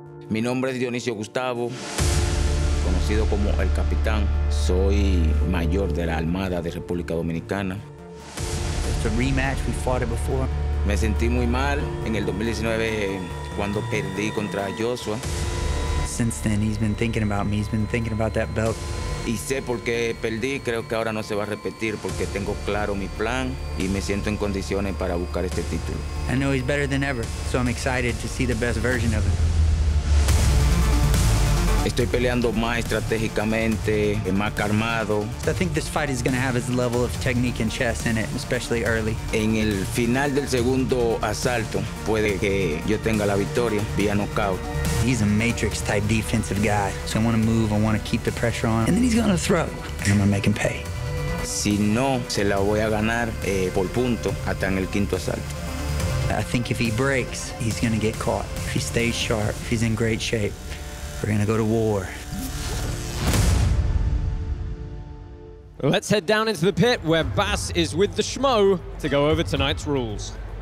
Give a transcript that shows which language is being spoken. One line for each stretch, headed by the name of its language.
Spanish: Mi nombre es Dionicio Gustavo, conocido como El Capitán. Soy mayor de la Armada de República Dominicana.
English: It's a rematch, we fought it before.
Spanish: Me sentí muy mal en el 2019 cuando perdí contra Joshua.
English: Since then, he's been thinking about me, he's been thinking about that belt.
Spanish: Y sé por qué perdí, creo que ahora no se va a repetir porque tengo claro mi plan y me siento en condiciones para buscar este título.
English: I know he's better than ever, so I'm excited to see the best version of him.
Spanish: Estoy peleando más estratégicamente, más calmado.
English: I think this fight is going to have its level of technique and chess in it, especially early.
Spanish: En el final del segundo asalto, puede que yo tenga la victoria vía knockout.
English: He's a matrix type defensive guy. So I want to move, I want to keep the pressure on. And then he's going to throw, and I'm going to make him pay.
Spanish: Si no, se la voy a ganar por punto hasta en el quinto asalto.
English: I think if he breaks, he's going to get caught. If he stays sharp, if he's in great shape, we're going to go to war. Let's head down into the pit where Bas is with the Schmo to go over tonight's rules.